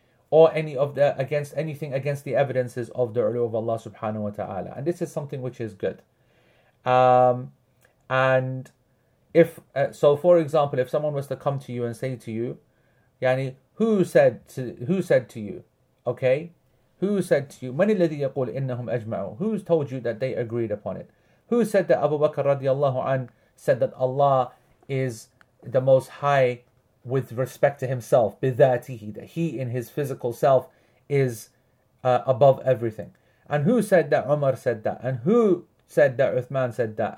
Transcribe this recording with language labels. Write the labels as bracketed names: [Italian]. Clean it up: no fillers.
[English] Or any of the against the evidences of the ulu of Allah subhanahu wa ta'ala. And this is something which is good. So for example, if someone was to come to you and say to you, yani, who said to you, okay? Who said to you, [Arabic] من الذي يقول إنهم أجمعوا? [English] Who's told you that they agreed upon it? Who said that Abu Bakr radiallahu anh said that Allah is the most high with respect to himself, بذاته, that he in his physical self is above everything? And who said that Umar said that? And who said that Uthman said that?